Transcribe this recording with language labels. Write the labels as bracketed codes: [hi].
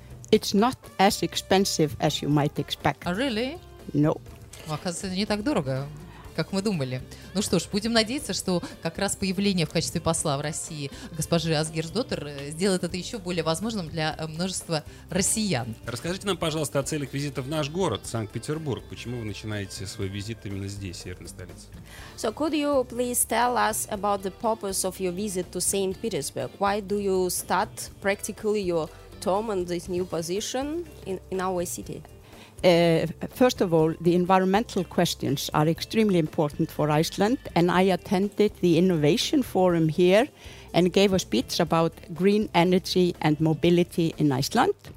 [en] It's not as expensive as you might expect. Really? No. [ru] Оказывается, не так дорого, как мы думали. Ну что ж, будем надеяться, что как раз появление в качестве посла в России госпожи Асгейрсдоттер сделает это еще более возможным для множества россиян. Расскажите нам, пожалуйста, о целях визита в наш город, Санкт-Петербург. Почему вы начинаете свой визит именно здесь, в северной столице? [en] So, could you please tell us about the purpose of your visit to St. Petersburg? Why do you start practically your term on this new position in our city? First of all, the environmental questions are extremely important for Iceland, and I attended the Innovation Forum here and gave a speech about green energy and mobility in Iceland.